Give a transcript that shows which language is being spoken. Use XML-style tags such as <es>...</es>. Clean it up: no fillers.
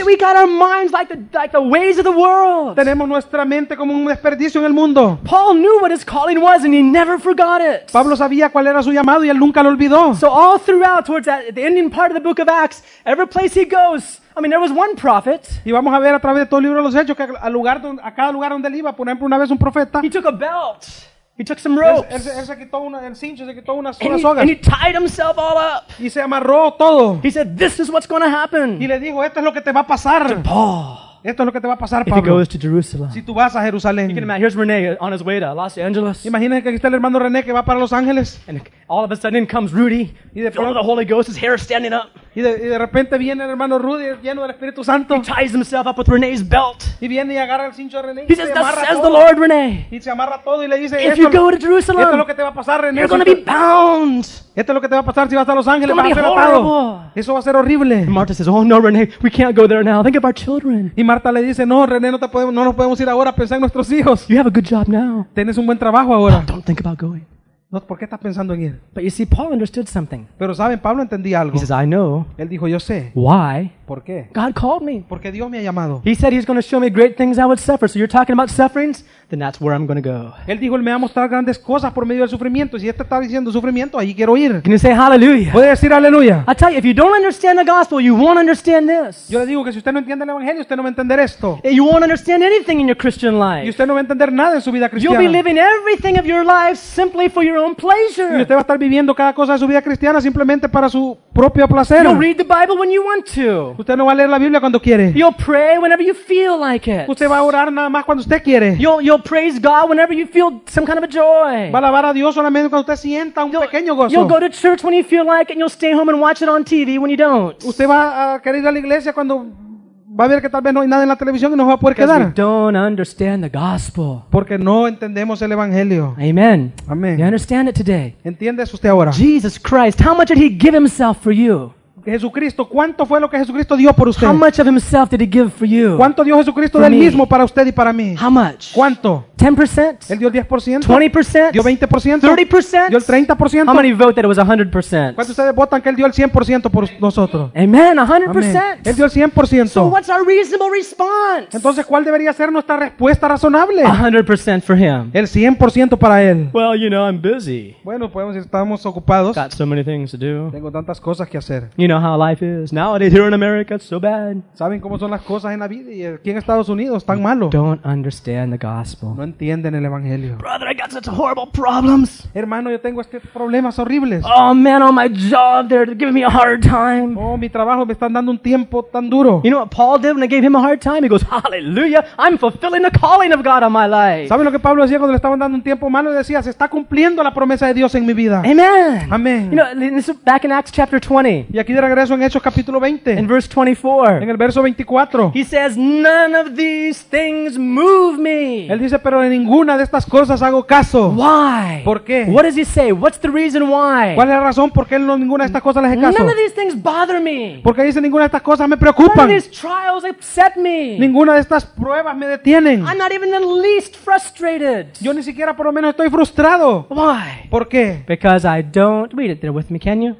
<en>We got our minds like the ways of the world.</en> <es>Tenemos nuestra mente como un desperdicio en el mundo.</es> <en>Paul knew what his calling was and he never forgot it.</en> <es>Pablo sabía cuál era su llamado y él nunca lo olvidó.</es> <en>So all throughout, towards the ending part of the book of Acts, every place he goes, I mean, there was one prophet.</en> <es>Y vamos a ver a través de todo el libro de los hechos que a cada lugar donde él iba, por ejemplo, una vez un profeta.</es> <en>He took a belt. He took some ropes.</en> <es>Él se quitó el cincho, se quitó unas sogas.</es> <en>And he tied himself all up.</en> <es>Y se amarró todo.</es> <en>He said, "This is what's going to happen."</en> <es>Y le dijo, "Esto es lo que te va a pasar."</es> <en>To Paul.</en> <es>Esto es lo que te va a pasar,</es> <en>if</en> <es>Pablo.</es> <en>If he goes to Jerusalem.</en> <es>Si tú vas a Jerusalén.</es> <en>You can imagine, here's Rene on his way to Los Angeles.</en> <es>Imagínate que aquí está el hermano René que va para Los Ángeles.</es> <en>And all of a sudden comes Rudy.</en> <es>Y de</es> <en>pronto, the Holy Ghost, his hair standing up.</en> <es>Y de repente viene el hermano Rudy lleno del Espíritu Santo.</es> <en>He ties himself up with Rene's belt.</en> <es>Y viene y agarra el cincho de René.</es> <en>He says, "That says the Lord, Rene."</en> <es>Y se amarra todo y le dice,</es> <en>"If you go to Jerusalem,</en> <es>esto es lo que te va a pasar, René.</es> <en>You're going to be bound."</en> <es>Esto es lo que te va a pasar si vas a Los Ángeles.</es> <en>It's going to be horrible.</en> <es>Eso va a ser horrible.</es> <en>And Martha says, "Oh no, Rene, we can't go there now. Think of our children."</en> <es>Y Marta le dice, no, René, no nos podemos ir ahora, pensar en nuestros hijos.</es> <en>You have a good job now.</en> <es>Tienes un buen trabajo ahora.</es> <en>No, don't think about going.</en> <es>No, ¿por qué estás pensando en ir?</es> <en>But you see, Paul understood something.</en> <es>Pero saben, Pablo entendía algo.</es> <en>He says, I know.</en> <es>Él dijo, yo sé.</es> <en>Why?</en> <es>¿Por qué?</es> <en>God called me.</en> <es>Porque Dios me ha llamado.</es> <en>He said he's going to show me great things I would suffer. So you're talking about sufferings? Then that's where I'm going to go.</en> <es>Él dijo, él me va a mostrar grandes cosas por medio del sufrimiento. Si este está diciendo sufrimiento, ahí quiero ir.</es> <en>Can you say hallelujah?</en> <es>¿Puede decir aleluya?</es> <en>I tell you, if you don't understand the gospel, you won't understand this.</en> <es>Yo le digo que si usted no entiende el evangelio, usted no va a entender esto.</es> <en>You won't understand anything in your Christian life.</en> <es>Y usted no va a entender nada en su vida cristiana.</es> <en>You'll be living everything of your life simply for your own pleasure.</en> <es>Y usted va a estar viviendo cada cosa de su vida cristiana simplemente para su propio placer.</es> <en>You'll read the Bible when you want to.</en> <es>Usted no va a leer la Biblia cuando quiere.</es> <en>You'll pray whenever you feel like it.</en> <es>Usted va a orar nada más cuando usted quiere.</es> <en>You'll praise God whenever you feel some kind of a joy.</en> <es>Va a alabar a Dios solamente cuando usted sienta un pequeño gozo.</es> <en>You'll go to church when you feel like it and you'll stay home and watch it on TV when you don't.</en> <es>Usted va a querer ir a la iglesia cuando va a ver que tal vez no hay nada en la televisión y no va a poder quedar.</es> <en>Because we don't understand the gospel.</en> <es>Porque no entendemos el evangelio.</es> <en>Amen.</en> <es>Amen.</es> <en>You understand it today.</en> <es>¿Entiendes usted ahora?</es> <en>Jesus Christ, how much did he give himself for you?</en> <es>Jesucristo, ¿cuánto fue lo que Jesucristo dio por usted?</es> <en>How much of himself did he give for you?</en> <es>¿Cuánto dio Jesucristo del mismo para usted y para mí?</es> <en>How much?</en> <es>¿Cuánto?</es> <en>10%?</en> <es>Él dio el 10%.</es> <en>20%?</en> <es>Dio 20%.</es> <en>30%?</en> <es>Dio el 30%.</es> <en>How many vote that it was 100%?</en> <es>¿Cuántos ustedes votan que él dio el 100% por nosotros?</es> <en>Amen, 100%.</en> <es>Él dio el 100%.</es> <en>So what's our reasonable response?</en> <es>Entonces, ¿cuál debería ser nuestra respuesta razonable?</es> <en>100% for him.</en> <es>El 100% para él.</es> <en>Well, you know, I'm busy.</en> <es>Bueno, podemos decir, estamos ocupados.</es> <en>Got so many things to do.</en> <es>Tengo tantas cosas que hacer.</es> <en>You know, know how life is nowadays here in America. It's so bad.</en> <es>Saben cómo son las cosas en la vida y aquí en Estados Unidos tan malo.</es> <en>Don't understand the gospel.</en> <es>No entienden el evangelio.</es> <en>Brother, I got such horrible problems.</en> <es>Hermano, yo tengo estos problemas horribles.</es> <en>Oh man, on my job they're giving me a hard time.</en> <es>Oh, mi trabajo me están dando un tiempo tan duro.</es> <en>You know what Paul did when they gave him a hard time? He goes, Hallelujah! I'm fulfilling the calling of God on my life.</en> <es>Saben lo que Pablo decía cuando le estaban dando un tiempo malo? Decía, se está cumpliendo la promesa de Dios en mi vida.</es> <en>Amen.</en> <es>Amen.</es> <en>You know, this is back in Acts chapter 20.</en> <es>Y aquí de regreso en Hechos capítulo 20.</es> <en>In verse 24.</en> <es>En el verso 24.</es> <en>He says, none of these things move me.</en> <es>Él dice, pero de ninguna de estas cosas hago caso.</es> <en>Why?</en> <es>¿Por qué?</es> <en>What does he say? What's the reason why?</en> <es>¿Cuál es la razón por qué no ninguna de estas cosas les hace caso?</es> <en>None of these things bother me.</en> <es>Porque dice, ninguna de estas cosas me preocupan.</es> <en>None of these trials upset me.</en> <es>Ninguna de estas pruebas me detienen.</es> <en>I'm not even the least frustrated.</en> <es>Yo ni siquiera por lo menos estoy frustrado.</es> <en>Why?</en> <es>¿Por qué?</es> <en>Because I don't read it there with me, can you?</en>